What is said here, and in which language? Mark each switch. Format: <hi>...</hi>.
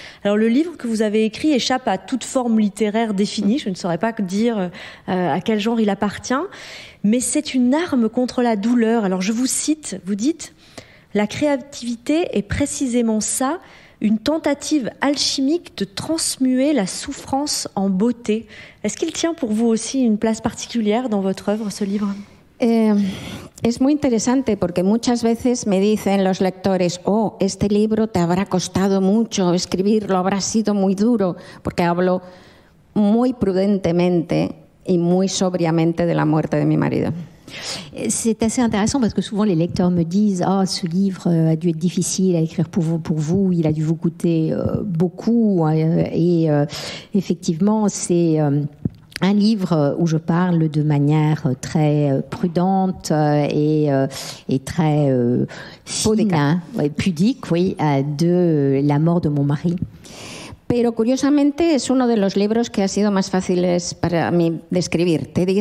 <fr>Alors le livre que vous avez écrit échappe à toute forme littéraire définie, je ne saurais pas dire à quel genre il appartient, mais c'est une arme contre la douleur. Alors je vous cite, vous dites « La créativité est précisément ça, une tentative alchimique de transmuer la souffrance en beauté ». Est-ce qu'il tient pour vous aussi une place particulière dans votre œuvre, ce livre ?</fr> <es>Es muy interesante porque muchas veces me dicen los lectores, oh, este libro te habrá costado mucho escribirlo, habrá sido muy duro, porque hablo muy prudentemente y muy sobriamente de la muerte de mi marido.</es> <fr>C'est assez intéressant parce que souvent les lecteurs me disent « Ah, ce livre a dû être difficile à écrire pour vous, il a dû vous coûter beaucoup. » Et effectivement, c'est un livre où je parle de manière très prudente et très fine, pudique, oui, de la mort de mon mari.</fr> <es>Pero curiosamente es uno de los libros que ha sido más fáciles para mí de escribir.</es>